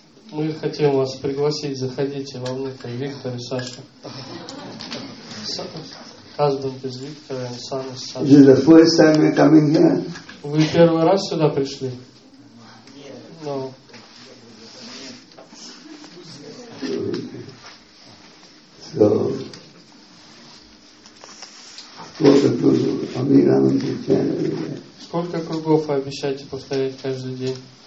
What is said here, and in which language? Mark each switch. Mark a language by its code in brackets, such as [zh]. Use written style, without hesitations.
[ru] Мы хотим вас пригласить, заходите во внутрь, Виктор и Саша. [en] Husband is Victor and son is Sasha. This is the first time you're coming here? [ru] Вы первый раз сюда пришли? [en] No. [ru] So, сколько кругов обещаете повторять каждый день? Сколько кругов вы обещаете повторять каждый день?